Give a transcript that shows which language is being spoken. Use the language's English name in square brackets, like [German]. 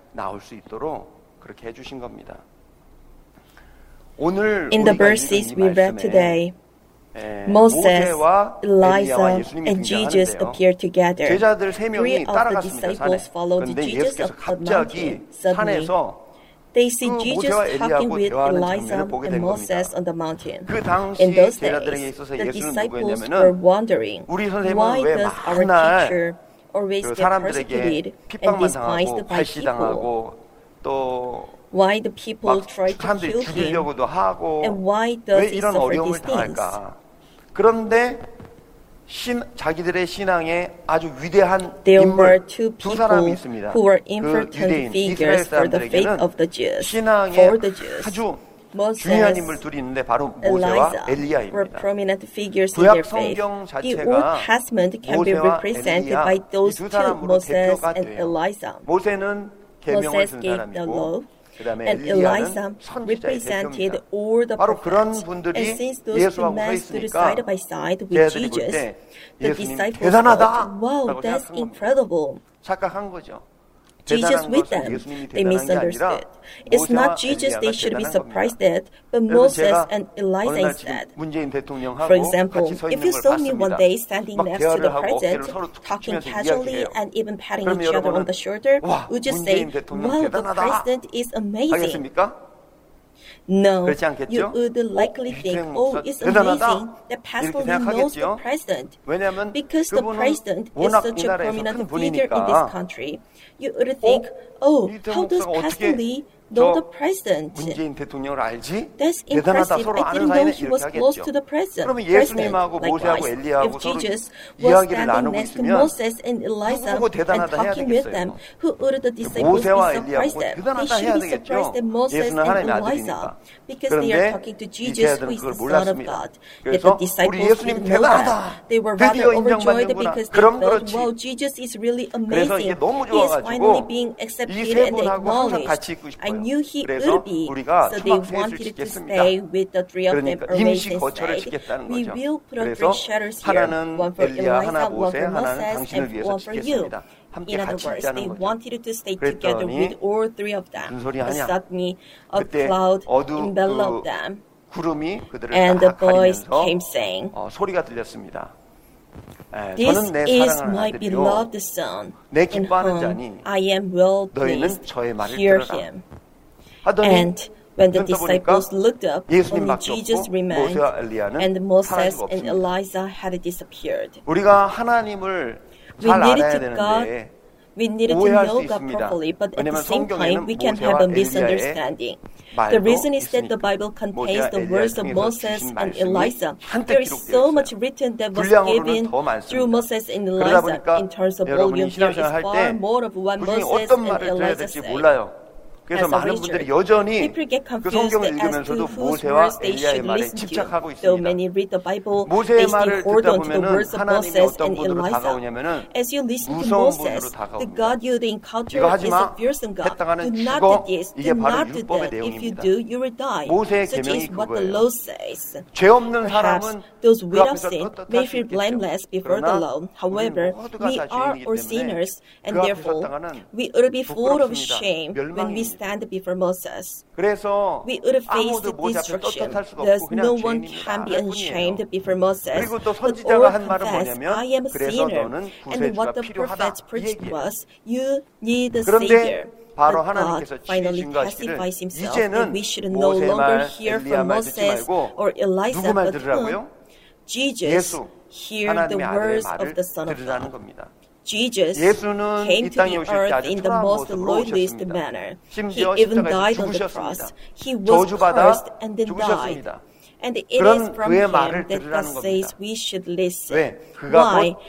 [Korean] 나올 수 있도록 그렇게 해 주신 겁니다. 오늘 [English] In the verses we read today, Moses, Elijah, and Jesus appeared together. Three of the disciples followed Jesus up the mountain. Suddenly, they see Jesus talking with Elijah and Moses on the mountain. In those days, the disciples were wondering, why does our teacher always get persecuted and despised by people? Why do people try to kill him? And why does he suffer these things? [Korean] 그런데 자기들의 신앙에 아주 위대한 인물 두 사람이 있습니다. 그 위대인 이스라엘 사람들에게는 신앙에 아주 중요한 인물 둘이 있는데 바로 모세와 엘리야입니다. 구약 성경 자체가 모세와 엘리야 이 두 사람으로 대표가 돼요. 모세는 계명을 쓴 사람이고 [English] And Elijah represented all the prophets. And since those two men stood side by side with Jesus, the disciples thought, wow, that's incredible. Jesus with them, they misunderstood. It's not Jesus they should be surprised at, but Moses and Elijah instead. For example, if you saw me one day standing next to the president, talking casually and even patting each other on the shoulder, would you say, wow, the president is amazing? No, you would likely think, oh, it's amazing that pastor knows the president. Because the president is such a prominent figure in this country, you would think, oh, how does Pastor Lee know the president. [Korean] 문재인 대통령을 알지? [English] That's impressive. I didn't know he was close to the president. [Korean] 그러면 예수님하고 모세하고 엘리야하고 서로 이야기를 나누고 있으면 누구 대단하다 해야 되겠어요? 모세와 엘리야하고 대단하다 해야 되겠죠? 예수는 하나님의 아들이니까. 그런데 제자들은 그걸 몰랐습니다. 그래서 우리 예수님 대단하다. 드디어 인정받는구나. 그럼 그렇지. [English] Well, Jesus is really amazing. [Korean] 그래서 이게 너무 좋아가지고 이 세 분하고 항상 같이 있고 싶어요. 그래서 [English] be, [Korean] 우리가 [English] so [Korean] 추막술을 짓겠습니다. 그러니까 임시 거처를 짓겠다는 거죠. 그래서 하나는 엘리야, 하나 모세, 하나는 당신을 위해서 짓겠습니다. 함께 같이 있자는 거죠. 그랬더니 무슨 소리 하냐. 그때 어두운 그 구름이 그들을 다 가리면서 소리가 들렸습니다. 저는 내 사랑하는 아들이요 내 기뻐하는 자니 너희는 저의 말을 들으라 하더니 [English] when the disciples looked up, only Jesus remained, and Moses and Elijah had disappeared. [Korean] 우리가 하나님을 잘 알아야 되는데 [English] we needed to know God properly, but at the same time, we can have a misunderstanding. The reason is that the Bible contains the words of Moses and Elijah. There is so much written that was given through Moses and Elijah. In terms of volume, there is far more of what Moses and Elijah say. [Korean] 그래서 많은 분들이 여전히 그 성경을 읽으면서도 모세와 엘리야의 말에 집착하고 있습니다. 모세의 말을 듣다 보면 하나님이 어떤 분으로 다가오냐면 무서운 분으로 다가옵니다. 이거 하지 마. 했다가는 죽어. 이게 바로 율법의 내용입니다. 모세의 계명이 그거예요. 죄 없는 사람은 [English] those without sin may feel blameless before the law. However, we are all sinners, and therefore, we would be full of shame when we stand before Moses. We would face destruction. Thus, no one can be unshamed before Moses. But all confess, I am a sinner. And what the prophet preached was, you need a savior. [Korean] 바로 하나님께서 지신 것이기를 이제는 모세 말, 엘리야 말 듣지 말고 누구 말 들으라고요? [English] Jesus, hear the words of the Son of God. Jesus came to the earth in the most lowliest manner. He even died on the cross. He was cursed and then died. And it is from him that God says we should listen. Why?